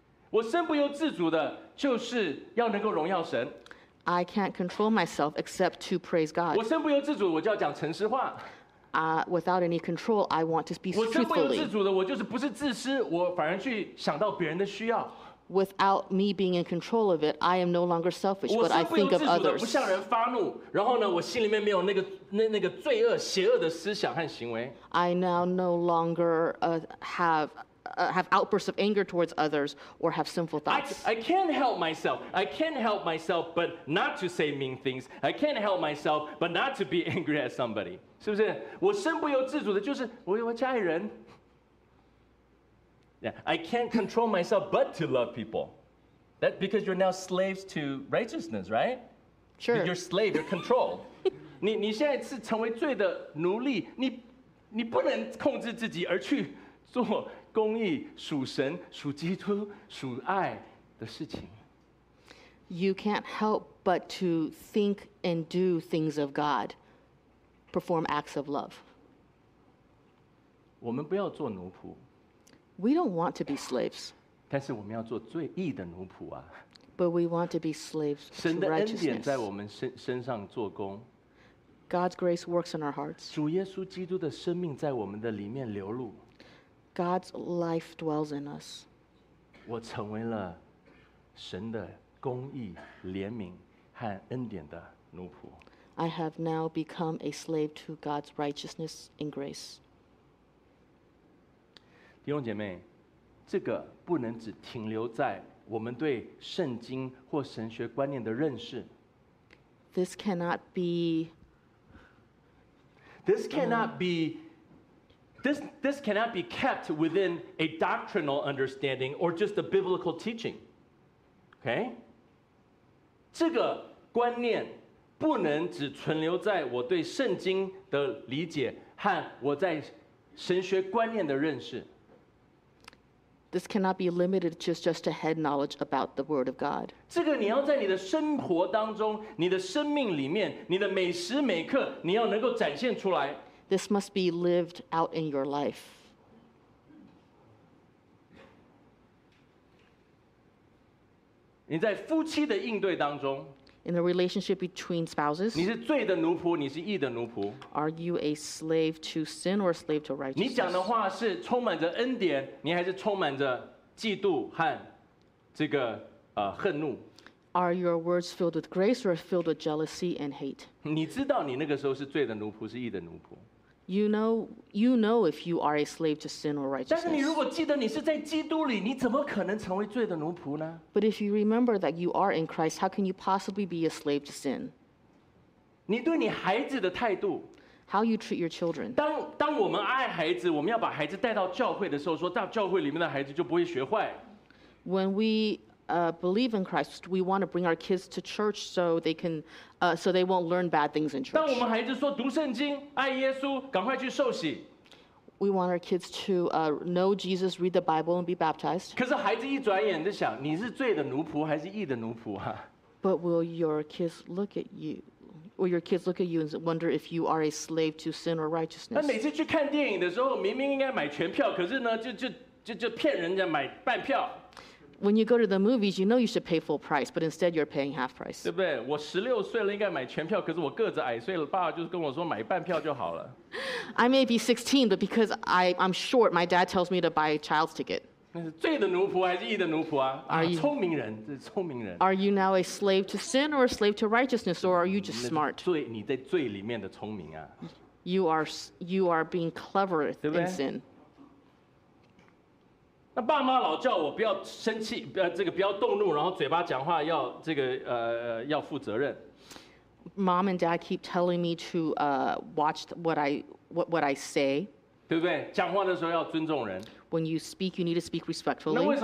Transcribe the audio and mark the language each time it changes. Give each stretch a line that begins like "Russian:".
Chinese: 我身不由自主的就是要能够荣耀神。
English: I can't control myself except to praise God.
Chinese: 我身不由自主，我就要讲诚实话。
English: Without any control, I want to speak truthfully.
Chinese: 我身不由自主的，我就是不是自私，我反而去想到别人的需要。
English: Without me being in control of it, I am no longer selfish, but I think of others.
Chinese: 我身不由自主的不向人发怒，然后呢，我心里面没有那个罪恶、邪恶的思想和行为。
English: I now no longer have outbursts of anger towards others or have sinful thoughts. I can't help myself. I can't help myself, but not to say mean things. I can't help myself, but not to be angry at somebody.
Chinese: 是不是？我身不由自主的，就是我家里人。
English: Yeah, I can't control myself but to love people. That because you're now slaves to righteousness, right? Sure. You're slave. You're controlled.
Chinese: 你现在是成为罪的奴隶。你不能控制自己而去做公义、属神、属基督、属爱的事情。
English: You can't help but to think and do things of God, perform acts of love.
Chinese: 我们不要做奴仆。
English: We don't want to be slaves.
Chinese: 但是我们要做最义的奴仆啊。
English: But we want to be slaves to righteousness.
Chinese: 神的恩典在我们身上做工。
English: God's grace works in our hearts.
Chinese: 主耶稣基督的生命在我们的里面流露。
English: God's life dwells in us.
Chinese: 我成为了神的公义、怜悯和恩典的奴仆。
English: I have now become a slave to God's righteousness and grace.
Chinese: 弟兄姐妹，这个不能只停留在我们对圣经或神学观念的认识。
English: This cannot be. This cannot be. This cannot be kept within a doctrinal understanding or just a biblical teaching. Okay.
Chinese: 这个观念不能只存留在我对圣经的理解和我在神学观念的认识。
English: This cannot be limited to just a head knowledge about the Word of God.
Chinese: 这个你要在你的生活当中，你的生命里面，你的每时每刻，你要能够展现出来。
English: This must be lived out in your life.
Chinese: 你在夫妻的应对当中。
English: In the relationship between spouses.
Chinese: 你是罪的奴仆，你是义的奴仆。
English: Are you a slave to sin or a slave to righteousness?
Chinese: 你讲的话是充满着恩典，你还是充满着嫉妒和这个恨怒。
English: Are your words filled with grace or filled with jealousy and hate?
Chinese: 你知道你那个时候是罪的奴仆，是义的奴仆。
English: You know if you are a slave to sin or righteousness.
Chinese: 但是你如果记得你是在基督里，你怎么可能成为罪的奴仆呢？
English: But if you remember that you are in Christ, how can you possibly be a slave to sin?
Chinese: 你对你孩子的态度。
English: How you treat your children.
Chinese: 当我们爱孩子，我们要把孩子带到教会的时候，说到教会里面的孩子就不会学坏。
English: When we believe in Christ, we want to bring our kids to church so they won't learn bad things in church.
Chinese: 当我们孩子说读圣经，爱耶稣，赶快去受洗。
English: We want our kids to know Jesus, read the Bible, and be baptized.
Chinese: 可是孩子一转眼就想，你是罪的奴仆还是义的奴仆啊？
English: But will your kids look at you? Will your kids look at you and wonder if you are a slave to sin or righteousness?
Chinese: 那每次去看电影的时候，明明应该买全票，可是呢，就骗人家买半票。
English: When you go to the movies, you know you should pay full price, but instead you're paying half price.
Chinese: 对不对？我十六岁了，应该买全票。可是我个子矮，所以爸爸就跟我说买半票就好了。
English: I may be 16, but because I'm short, my dad tells me to buy a child's ticket.
Chinese: 那是罪的奴仆还是义的奴仆啊？聪明人，这是聪明人。
English: Are you now a slave to sin or a slave to righteousness, or are you just smart?
Chinese: 你在罪里面的聪明啊。
English: You are being clever in sin.
Chinese: 那爸妈老叫我不要生气，不要动怒，然后嘴巴讲话要负责任。
English: Mom and dad keep telling me to watch what I say.
Chinese: 对不对？讲话的时候要尊重人。
English: When you speak, you need to speak respectfully.